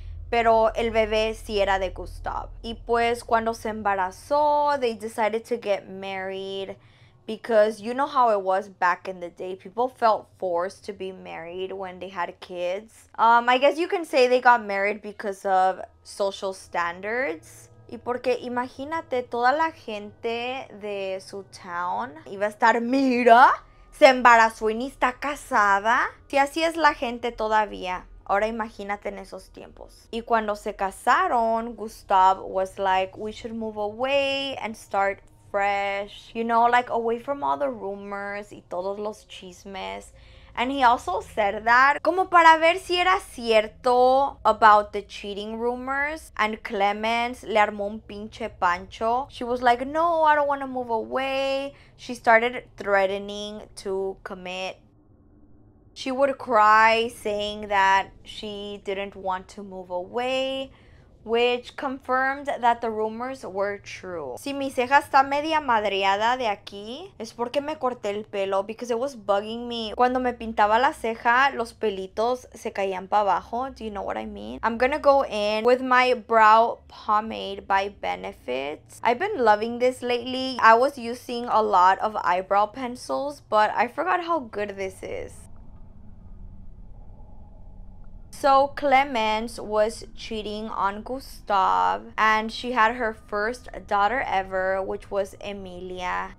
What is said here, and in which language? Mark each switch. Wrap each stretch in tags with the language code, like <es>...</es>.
<es>Pero el bebé sí era de Gustave. Y pues cuando se embarazó,</es> <en>they decided to get married. Because you know how it was back in the day. People felt forced to be married when they had kids. I guess you can say they got married because of social standards.</en> <es>Y porque imagínate, toda la gente de su town iba a estar, mira, se embarazó y ni está casada. Si así es la gente todavía. Ahora imagínate en esos tiempos.</es> <en>Y cuando se casaron, Gustave was like, we should move away and start fresh. You know, like away from all the rumors</en> <es>y todos los chismes.</es> <en>And he also said that</en> <es>como para ver si era cierto</es> <en>about the cheating rumors.</en> <es>And Clemens le armó un pinche pancho.</es> <en>She was like, no, I don't want to move away. She started threatening to commit. She would cry saying that she didn't want to move away, which confirmed that the rumors were true.</en> <es>Si mi ceja está media madreada de aquí, es porque me corté el pelo,</es> <en>because it was bugging me.</en> <es>Cuando me pintaba la ceja, los pelitos se caían para abajo.</es> <en>Do you know what I mean? I'm gonna go in with my brow pomade by Benefit. I've been loving this lately. I was using a lot of eyebrow pencils, but I forgot how good this is. So Clemens was cheating on Gustav and she had her first daughter ever, which was Emilia.</en>